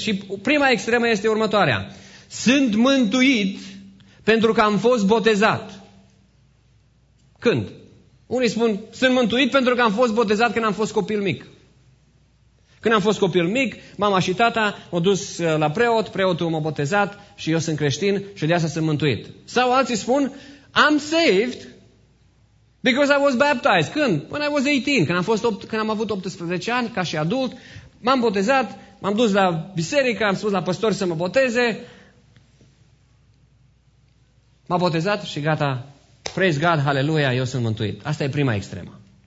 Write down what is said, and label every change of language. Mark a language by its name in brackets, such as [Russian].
[Romanian] Și prima extremă este următoarea. Sunt mântuit pentru că am fost botezat. Când? Unii spun, sunt mântuit pentru că am fost botezat când am fost copil mic. Când am fost copil mic, mama și tata m-au dus la preot, preotul m-a botezat și eu sunt creștin și de asta sunt mântuit. Sau alții spun, [English] I'm saved because I was baptized. [Romanian] Când? [English] When I was 18. [Romanian] Când am avut 18 ani, ca și adult, m-am botezat, m-am dus la biserică, am spus la păstori să mă boteze, m-a botezat și gata, [English] praise God, hallelujah, [Romanian] eu sunt mântuit. Asta e prima extremă.